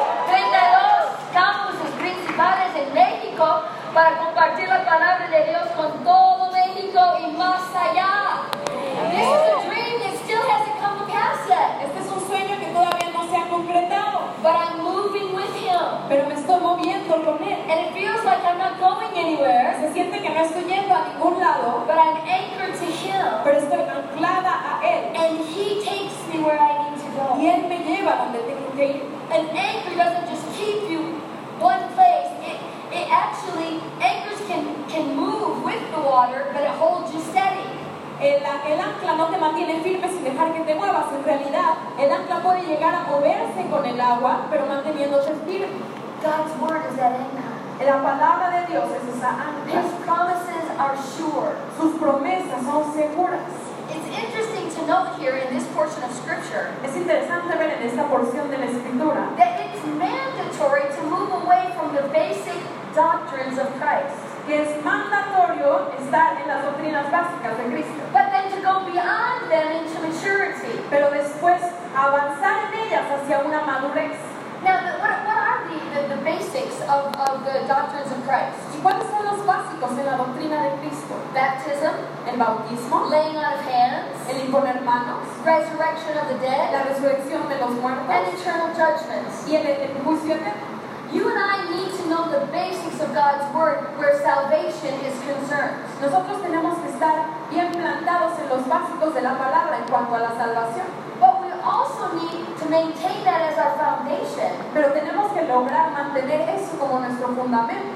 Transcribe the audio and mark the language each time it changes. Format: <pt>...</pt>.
<es>32 campuses principales en México. Para compartir la palabra de Dios con todo México y más allá.</es> <en>This is a dream that still hasn't come to pass yet.</en> <es>Este es un sueño que todavía no se ha concretado.</es> <en>But I'm moving with Him.</en> <es>Pero me estoy moviendo con Él.</es> <en>And it feels like I'm not going anywhere.</en> <es>Se siente que no estoy yendo a ningún lado.</es> <en>But I'm anchored to Him.</en> <es>Pero estoy anclada a Él.</es> <en>And He takes me where I need to go.</en> <es>Y Él me lleva donde tengo que ir.</es> <en>An anchor doesn't just keep you one place. It actually, anchors can move with the water, but it holds you steady.</en> <es>El ancla no te mantiene firme sin dejar que te muevas. En realidad, el ancla puede llegar a moverse con el agua, pero manteniéndose firme.</es> <en>God's word is that anchor.</en> <es>La palabra de Dios es esa ancla.</es> <en>His promises are sure.</en> <es>Sus promesas son seguras.</es> <en>It's interesting to note here in this portion of Scripture.</en> <es>Es interesante ver en esta porción de la Escritura.</es> <en>That it's mandatory to move away from the basic doctrines of Christ.</en> <es>Que es mandatorio estar en las doctrinas básicas de Cristo.</es> <en>But then to go beyond them into maturity.</en> <es>Pero después avanzar en ellas hacia una madurez.</es> <en>Now, what are the basics of the doctrines of Christ?</en> <es>¿Y cuáles son los básicos de la doctrina de Cristo?</es> <en>Baptism.</en> <es>El bautismo.</es> <en>Laying on of hands.</en> <es>El imponer manos.</es> <en>Resurrection of the dead.</en> <es>La resurrección de los muertos.</es> <en>And eternal judgments.</en> <es>Y el juicio eterno.</es> <en>You and I need to know the basics of God's word where salvation is concerned.</en> <es>Nosotros tenemos que estar bien plantados en los básicos de la palabra en cuanto a la salvación.</es> <en>But we also need to maintain that as our foundation.</en> <es>Pero tenemos que lograr mantener eso como nuestro fundamento.</es>